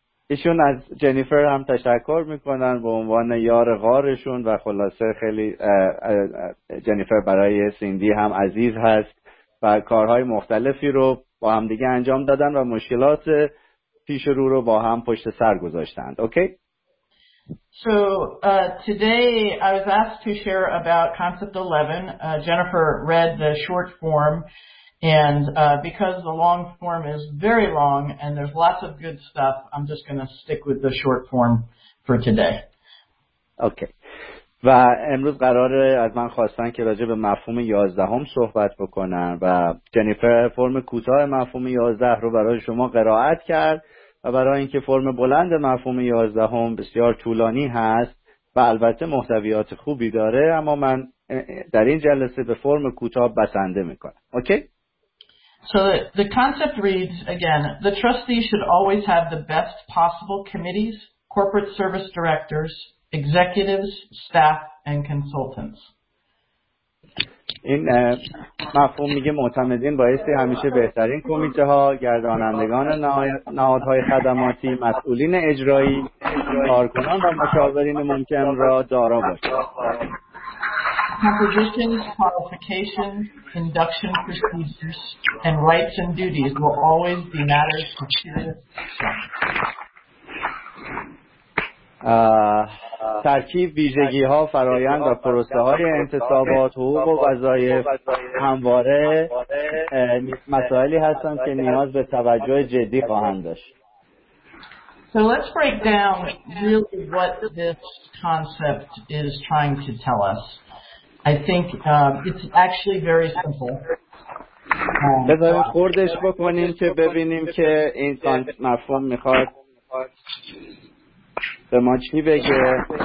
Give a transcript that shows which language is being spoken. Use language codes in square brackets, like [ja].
[fa] ایشون از جنیفر هم تشکر میکنن به عنوان یار غارشون و خلاصه خیلی جنیفر برای سیندی هم عزیز هست و کارهای مختلفی رو با هم دیگه انجام دادن و مشکلات پیش رو با هم پشت سر گذاشتند. اوکی؟ [en] So today I was asked to share about concept 11. Jennifer read the short form And because the long form is very long and there's lots of good stuff, I'm just going to stick with the short form for today. Okay. [fa] و امروز قراره از من خواستن که راجع به مفهوم 11 هم صحبت بکنن و جنیفر فرم کوتاه مفهوم 11 رو برای شما قرائت کرد و برای اینکه فرم بلند مفهوم 11 هم بسیار طولانی هست و البته محتویات خوبی داره اما من در این جلسه به فرم کوتاه بسنده میکنم. Okay. [en] So the concept reads, again, the trustee should always have the best possible committees, corporate service directors, executives, staff, and consultants. [fa] این مفهوم میگه معتمدین بایستی همیشه بهترین کمیته ها، گردانندگان نهادهای خدماتی، مسئولین اجرایی، کارکنان و مشاورین ممکن را دارا باشد. [en] Compositions, qualifications, induction procedures, and rights and duties will always be matters of serious. [fa] ترکیب ویژگی ها فرایند و پروسه های انتصابات حقوق و وظایف همواره مسائلی هستند که نیاز به توجه جدی خواهند داشت. [en] So let's break down really what this concept is trying to tell us. I think it's actually very simple. [fa] بذاریم خوردش بکنیم که ببینیم که این مفهوم میخواد به ما چی بگه.